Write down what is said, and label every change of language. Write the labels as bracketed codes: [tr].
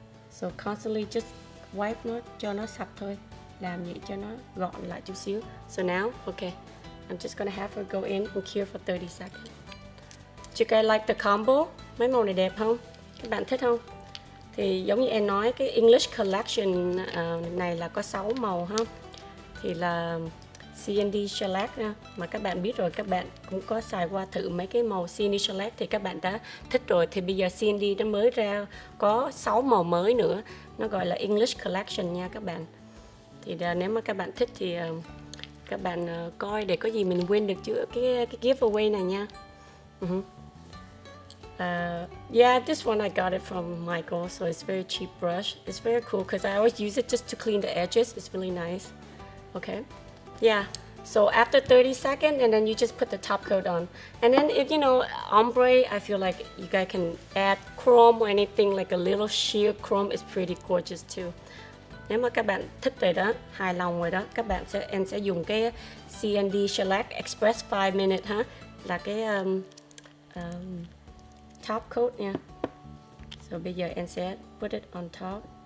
[en] So constantly just wipe [vi] nó cho nó sạch thôi. Làm vậy cho nó gọn lại chút xíu. [en] So now, okay, I'm just gonna have her go in and cure for 30 seconds. You guys like the combo? [vi] Mấy màu này đẹp không? Các bạn thích không? Thì giống như em nói, cái English Collection này là có 6 màu ha. Thì là CND Select nha. Mà các bạn biết rồi, các bạn cũng có xài qua thử mấy cái màu CND Select thì các bạn đã thích rồi. Thì bây giờ CND nó mới ra có 6 màu mới nữa. Nó gọi là English Collection nha các bạn. Thì nếu mà các bạn thích thì các bạn coi để có gì mình win được chữ cái giveaway này nha. [en] Yeah, this one I got it from Michael, so it's very cheap brush. It's very cool because I always use it just to clean the edges. It's really nice. Okay. Yeah, So after 30 seconds, and then you just put the top coat on. And then if you know ombre, I feel like you guys can add chrome or anything, like a little sheer chrome is pretty gorgeous too. [vi] Nếu mà các bạn thích rồi đó, hài lòng rồi đó, các bạn sẽ em sẽ dùng cái CND Shellac Express 5 Minute ha, là cái top coat nha. [en] So [vi] bây giờ em sẽ [en] put it on top.